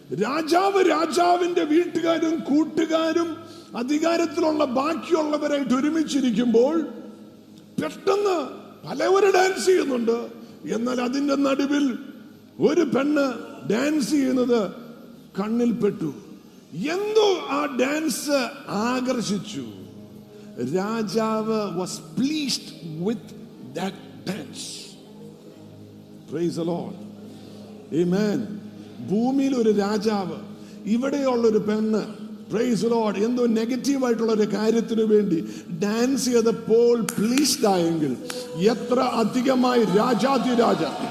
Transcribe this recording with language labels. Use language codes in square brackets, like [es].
[ml] രാജാവ് രാജാവിന്റെ വീട്ടുകാരും കൂട്ടുകാരും അധികാരത്തിലുള്ള ബാക്കിയുള്ളവരായിട്ട് ഒരുമിച്ചിരിക്കുമ്പോൾ പെട്ടെന്ന് പലവര് ഡാൻസ് ചെയ്യുന്നുണ്ട്. എന്നാൽ അതിന്റെ നടുവിൽ ഒരു പെണ്ണ് ഡാൻസ് ചെയ്യുന്നത് കണ്ണിൽപ്പെട്ടു. എന്തോ ആ ഡാൻസ് ആകർഷിച്ചു. [en] രാജാവ് was pleased with that dance. Praise the Lord. Amen. [ml] ഭൂമിയിൽ ഒരു രാജാവ്, ഇവിടെയുള്ളൊരു പെണ്ണ്, [en] praise Lord, [ml] എന്തോ നെഗറ്റീവ് ആയിട്ടുള്ള ഒരു കാര്യത്തിന് വേണ്ടി ഡാൻസ് ചെയ്തപ്പോൾ പ്ലീസ്ഡ് ആയെങ്കിൽ എത്ര അധികമായി രാജാതി രാജ.